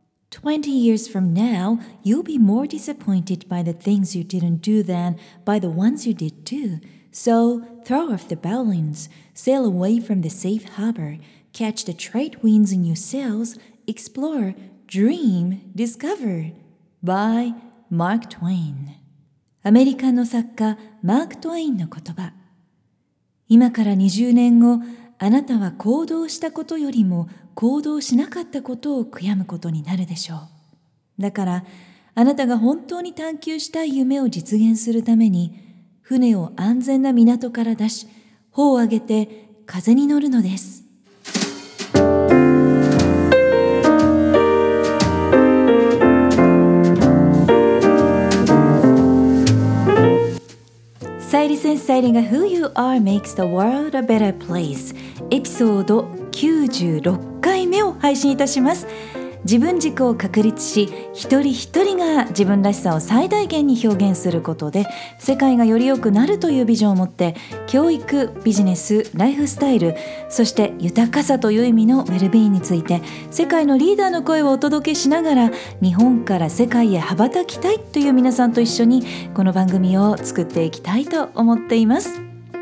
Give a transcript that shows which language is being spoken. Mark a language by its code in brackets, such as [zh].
[en] 20 years from now, you'll be more disappointed by the things you didn't do than by the ones you did do. So, throw off the bowlines, sail away from the safe harbor, catch the trade winds in your sails, explore, dream, discover. By Mark Twain. [ja] アメリカの作家、マーク・トウェインの言葉。今から20年後、あなたは行動したことよりも行動しなかったことを悔やむことになるでしょう。だから、あなたが本当に探求したい夢を実現するために、船を安全な港から出し、帆を上げて風に乗るのです。 [en] Sighting and sighting of who you are makes the world a better place. [ja] エピソード96回目を配信いたします。自分軸を確立し、一人一人が自分らしさを最大限に表現することで世界がより良くなるというビジョンを持って、教育、ビジネス、ライフスタイル、そして豊かさという意味のウェルビーについて世界のリーダーの声をお届けしながら、日本から世界へ羽ばたきたいという皆さんと一緒にこの番組を作っていきたいと思っています。